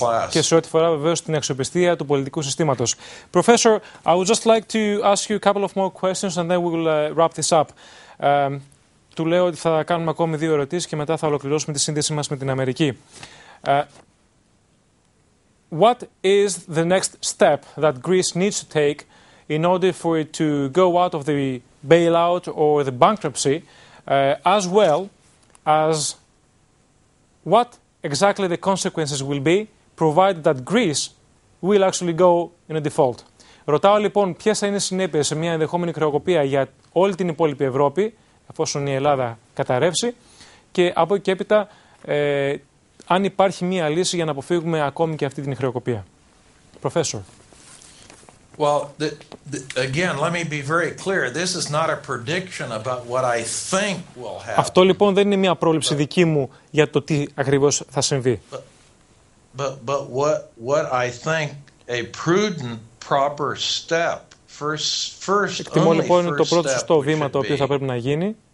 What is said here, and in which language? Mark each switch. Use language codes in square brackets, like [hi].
[el] Και σε ό,τι φορά βεβαίως την αξιοπιστία του πολιτικού συστήματος. [en] Professor, I would just like to ask you a couple of more questions and then we will wrap this up. [el] Του λέω ότι θα κάνουμε ακόμη δύο ερωτήσεις και μετά θα ολοκληρώσουμε τη σύνδεση μας με την Αμερική. [en] What is the next step that Greece needs to take in order for it to go out of the bailout or the bankruptcy, as well as what exactly the consequences will be, provided that Greece will actually go in a default? [el] Ρωτάω λοιπόν ποιες θα είναι οι συνέπειες σε μια ενδεχόμενη χρεοκοπία για όλη την υπόλοιπη Ευρώπη, εφόσον η Ελλάδα καταρρεύσει, και από εκεί και έπειτα αν υπάρχει μία λύση για να αποφύγουμε ακόμη και αυτή την χρεοκοπία. [en] Professor. Well, again, let me be very clear. This is not a prediction about what I think will happen. [el] Αυτό λοιπόν δεν είναι μία πρόληψη δική μου για το τι ακριβώς θα συμβεί. [en] But what I think a prudent, proper step. First, [el] εκτιμώ λοιπόν είναι το πρώτο σωστό βήμα το οποίο θα πρέπει να γίνει.